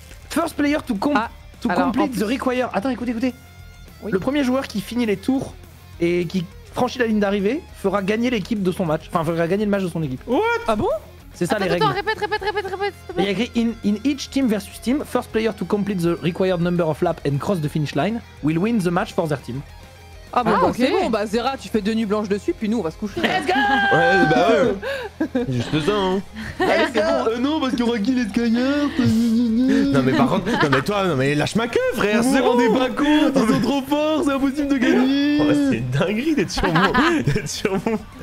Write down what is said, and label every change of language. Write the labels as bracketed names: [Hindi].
[English] First player to, to complete the require. [French] Attends, écoutez. Oui. Le premier joueur qui finit les tours et qui franchit la ligne d'arrivée fera gagner l'équipe de son match. Enfin, fera gagner le match de son équipe. [English] What? [French] Ah bon? C'est ça attends, les attends, règles. Attends, répète. Il y a écrit [English] in each team versus team, first player to complete the required number of laps and cross the finish line will win the match for their team. [French] Ah bon, ah, bah, okay. C'est bon, bah Zera, tu fais deux nuits blanches dessus, puis nous on va se coucher. [English] Let's go! [French] Ouais, bah ouais! Juste ça, hein! [English] Let's go! [French] Non, parce qu'il y aura qui les cagnards? Non, mais par contre, non, mais toi, non, mais lâche ma queue, frère! Oh, c'est bon, des pas cons, ils sont trop forts, c'est impossible de gagner! Oh, bah, c'est dinguerie d'être sur moi!